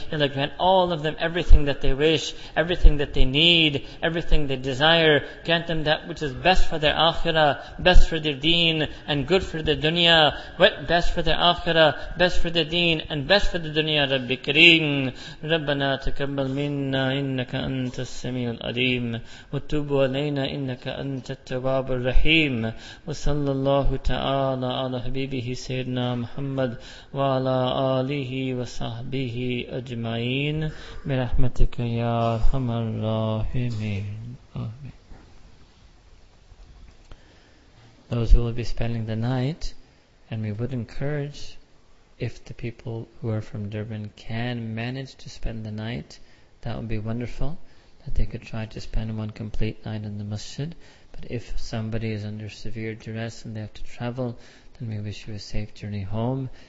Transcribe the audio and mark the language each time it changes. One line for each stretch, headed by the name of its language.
English: Ya Allah, grant all of them everything that they wish, everything that they need, everything they desire. Grant them that which is best for their akhirah, best for their deen, and good for the dunya. What best for their akhirah, best for the deen, and best for the dunya, Rabbi Kareem.
Arabic: Rabbana takabbal minna innaka antas السميع الأليم وتوب علينا إنك أنت التواب الرحيم وصلى الله تعالى على حبيبه سيدنا محمد وعلى آله وصحبه أجمعين برحمتك يا أرحم الراحمين. آمين.
English: Those who will be spending the night, and we would encourage if the people who are from Durban can manage to spend the night, that would be wonderful, that they could try to spend one complete night in the masjid. But if somebody is under severe duress and they have to travel, then we wish you a safe journey home.